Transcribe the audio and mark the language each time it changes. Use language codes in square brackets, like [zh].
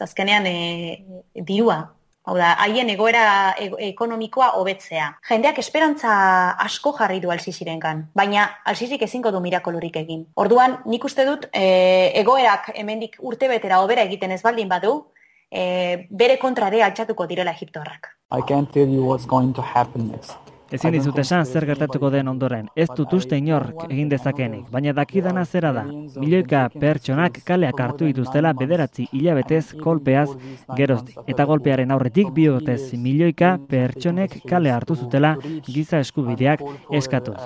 [eu] Azkenean dirua. Hau da, haien egoera ekonomikoa hobetzea. Jendeak esperantza asko jarri du Al-Sisirengan, baina Al-Sisik ezingo du mirakolurik egin. Orduan, nik uste dut egoerak hemendik urtebetera hobera egiten ez baldin badu, bere kontrare altxatuko direla Egiptoarrak. [en] I can't tell you what's going to happen next. [eu] Ezin dizut esan zer gertatuko den ondoren, ez dut uste inork egin dezakenik, baina dakidana zera da. Milioika pertsonak kaleak hartu dituztela 9 hilabetez kolpeaz geroztik. Eta kolpearen aurretik bi urtez milioika pertsonek kale hartu zutela giza eskubideak eskatuz.